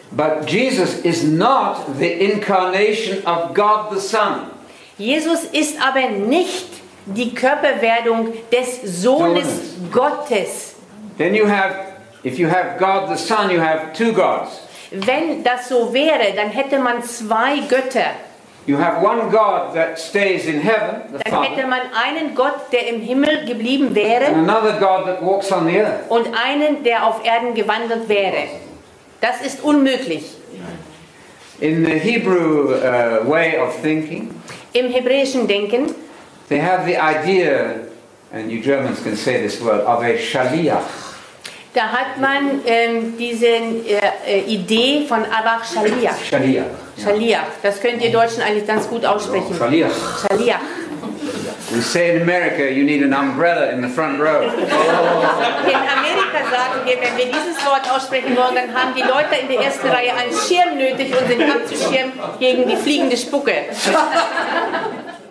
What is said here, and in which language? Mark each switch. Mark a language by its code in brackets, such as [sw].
[en] But Jesus is not the incarnation of God the Son. [de] Jesus ist aber nicht die Körperwerdung des Sohnes Gottes. [en] Then you have, if you have God the Son, you have two gods. [de] Wenn das so wäre, dann hätte man zwei Götter. [en] You have one God that stays in heaven, the [de] dann [en] Father. [de] Hätte man einen Gott, der im Himmel geblieben wäre. [en] And another God that walks on the earth. [de] Und einen, der auf Erden gewandelt wäre. Das ist unmöglich. [en] In the Hebrew way of thinking. [de] Im hebräischen Denken. [en] They have the idea, and you Germans can say this word, of a Shaliach. [de] Da hat man diese Idee von Abach Shaliach. [he] Shaliach. Shaliach. Yeah. [de] Das könnt ihr Deutschen eigentlich ganz gut aussprechen. [he] Shaliach. Shaliach. [en] We say in America, you need an umbrella in the front row. [de] In Amerika sagen wir, wenn wir dieses Wort aussprechen wollen, dann haben die Leute in der ersten Reihe einen Schirm nötig, um den abzuschirmen gegen die fliegende Spucke.